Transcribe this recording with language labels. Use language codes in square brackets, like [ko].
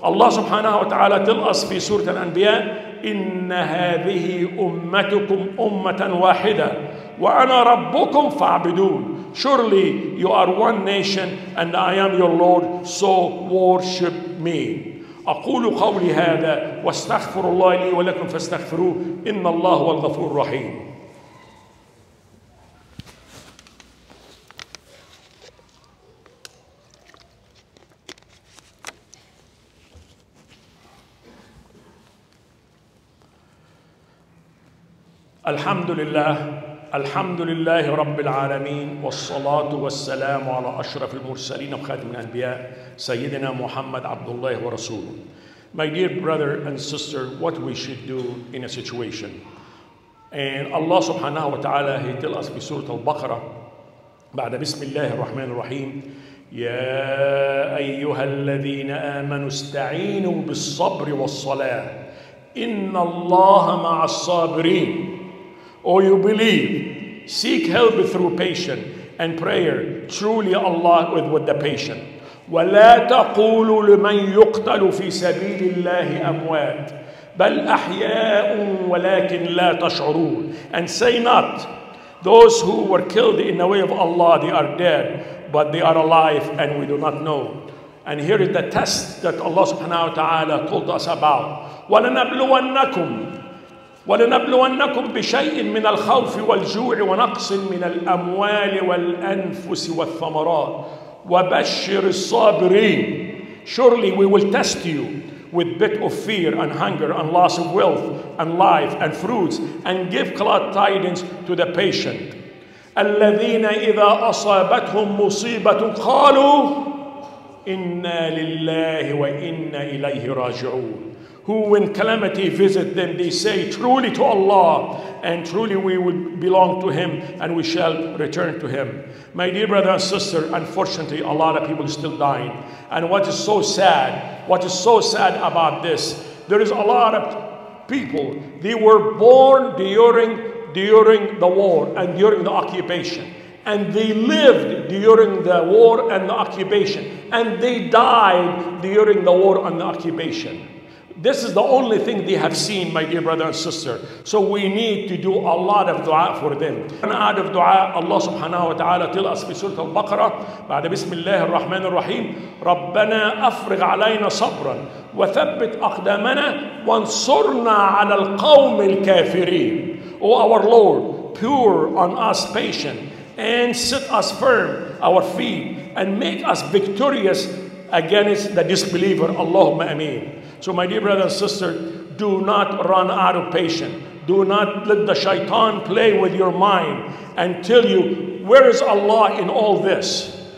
[en] Allah subhanahu wa ta'ala tell us in Surah Al-Anbiya, [ar] إِنَّ هَذِهِ أُمَّتُكُمْ أُمَّةً وَاحِدًا وَأَنَا رَبُّكُمْ فَاعْبُدُونَ. [en] Surely you are one nation and I am your Lord, so worship me. [ar] أقول قولي هذا واستغفر الله لي ولكم فاستغفروه إن الله هو الغفور الرحيم. الحمد لله، الحمد لله رب العالمين، والصلاة والسلام على أشرف المرسلين وخاتم الأنبياء سيدنا محمد عبد الله ورسوله. [en] My dear brother and sister, what we should do in a situation? [ar] And Allah سبحانه وتعالى [en] He tells us [ar] في سورة البقرة بعد بسم الله الرحمن الرحيم يا أيها الذين آمنوا استعينوا بالصبر والصلاة إن الله مع الصابرين. [en] Or you believe, seek help through patience and prayer. Truly Allah is with the patient. [ar] وَلَا تَقُولُ لِمَنْ يُقْتَلُ فِي سَبِيلِ اللَّهِ أَمْوَاتٍ بَلْ أَحْيَاءٌ وَلَكِنْ لَا تَشْعُرُونَ. [en] And say not, those who were killed in the way of Allah, they are dead, but they are alive and we do not know. And here is the test that Allah subhanahu wa ta'ala told us about. [ar] وَلَنَبْلُوَنَّكُمْ وَلَنَبْلُوَنَّكُمْ بِشَيْءٍ مِّنَ الْخَوْفِ وَالْجُوعِ وَنَقْصٍ مِّنَ الْأَمْوَالِ وَالْأَنفُسِ وَالثَّمَرَاتِ وَبَشِّرِ الصَّابِرِينَ. [en] Surely we will test you with bit of fear and hunger and loss of wealth and life and fruits, and give glad tidings to the patient. [ar] الَّذِينَ إِذَا أَصَابَتْهُمْ مُصِيبَةٌ قَالُوا إِنَّا لِلَّهِ وَإِنَّ إِلَيْهِ رَاجِعُونَ. [en] Who, when calamity visit them, they say, truly to Allah, and truly we would belong to Him, and we shall return to Him. My dear brother and sister, unfortunately, a lot of people are still dying. And what is so sad about this, there is a lot of people, they were born during the war and during the occupation. And they lived during the war and the occupation. And they died during the war and the occupation. This is the only thing they have seen, my dear brother and sister. So we need to do a lot of dua for them. And out of dua, Allah subhanahu wa ta'ala tell us in Surah Al-Baqarah, [ar] بعد بسم الله الرحمن الرحيم, ربنا أفرغ علينا صبرا وثبت أقدامنا وانصرنا على القوم الكافرين. [en] O our Lord, pour on us patience and set us firm our feet and make us victorious against the disbeliever. Allahumma ameen. So my dear brother and sister, do not run out of patience. Do not let the shaitan play with your mind and tell you, where is Allah in all this?